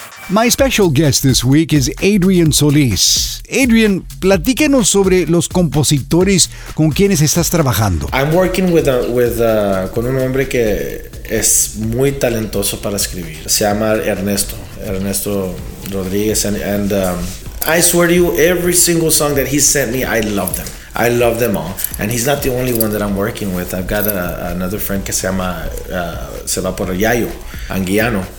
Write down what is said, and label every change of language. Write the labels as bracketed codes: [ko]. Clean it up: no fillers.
[en] My special guest this week is Adrian Solis. [es] Adrian, platíquenos sobre los compositores con quienes estás trabajando. [en] I'm working [es] con un hombre que es muy talentoso para escribir. Se llama [en] Ernesto Rodríguez, I swear to you, every single song that he sent me, I love them. I love them all. And he's not the only one that I'm working with. I've got another friend [es] que se va por [en] Yayo Anguiano.